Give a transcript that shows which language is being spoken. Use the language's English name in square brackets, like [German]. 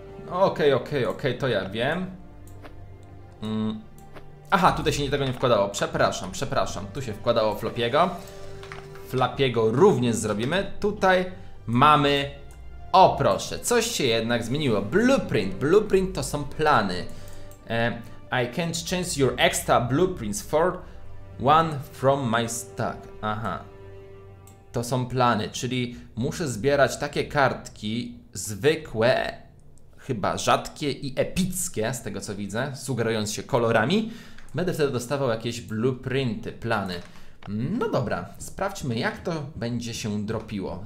[Polish] Okej, to ja wiem. Aha, tutaj się tego nie wkładało. Przepraszam. Tu się wkładało Flopiego. Flopiego również zrobimy. Tutaj mamy... O, proszę, coś się jednak zmieniło. Blueprint. Blueprint to są plany. [English] I can't change your extra blueprints for one from my stack. [Polish] Aha. To są plany, czyli muszę zbierać takie kartki zwykłe, chyba rzadkie i epickie, z tego co widzę, sugerując się kolorami. Będę wtedy dostawał jakieś blueprinty, plany. No dobra, sprawdźmy, jak to będzie się dropiło.